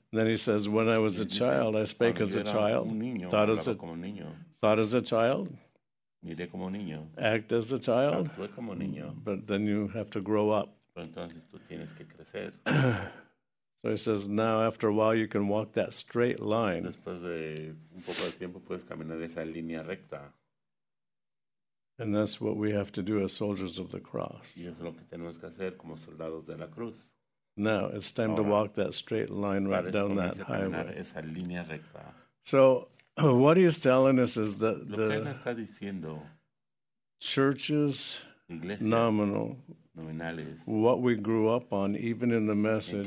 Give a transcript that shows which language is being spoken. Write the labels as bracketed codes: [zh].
[en] Then he says, when I was a child, I spake as a child, [es] niño, [en] thought as a child. [es] Miré como niño. [en] Act as a child. [es] Actué como niño. [en] But then you have to grow up. [es] Pero entonces tú tienes que crecer. [en] So he says, now after a while you can walk that straight line. [es] Después de un poco de tiempo puedes caminar esa línea recta. [en] And that's what we have to do as soldiers of the cross. [es] Y eso es lo que tenemos que hacer como soldados de la cruz. [en] Now it's time [es] ahora, [en] to walk that straight line right down that highway. [es] Esa línea recta. [en] So what he's telling us is that [es] lo [en] the [es] que él está diciendo, [en] churches, [es] iglesias, [en] nominal, [es] nominales, [en] what we grew up on, even in the message,